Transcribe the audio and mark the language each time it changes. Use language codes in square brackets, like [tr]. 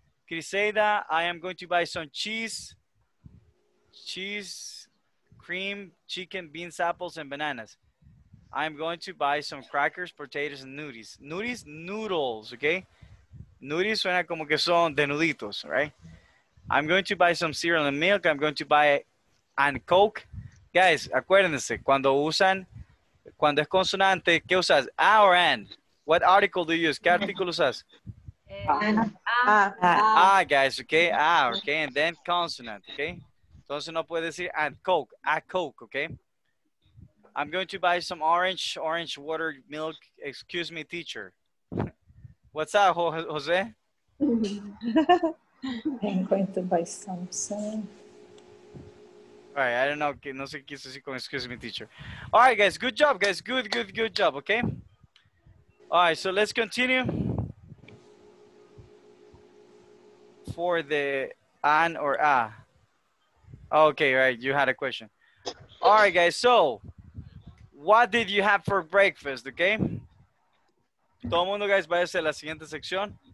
[en] Criseida, I am going to buy some cheese, cream, chicken, beans, apples, and bananas. I'm going to buy some crackers, potatoes, and nudies. Nudies, noodles, okay? Nudies [es] suena como que son denuditos, [en] right? I'm going to buy some cereal and milk. I'm going to buy and Coke. [es] Guys, acuérdense, cuando usan, cuando es consonante, ¿qué usas? [en] A or N? What article do you use? [es] ¿Qué artículo usas? [en] Guys, okay? Okay, and then consonant, okay? [es] Entonces no puede decir [en] a Coke, okay? I'm going to buy some orange water, milk. Excuse me, teacher. What's up, Jose? I'm going to buy something. All right, I don't know. [es] No sé qué quiso decir con [en] excuse me, teacher. All right, guys, good job, guys. Good job, okay? All right, so let's continue. For the an or a. Okay, right, you had a question. All right, guys, so what did you have for breakfast, okay? [es] Todo mundo, guys, váyase a la siguiente sección.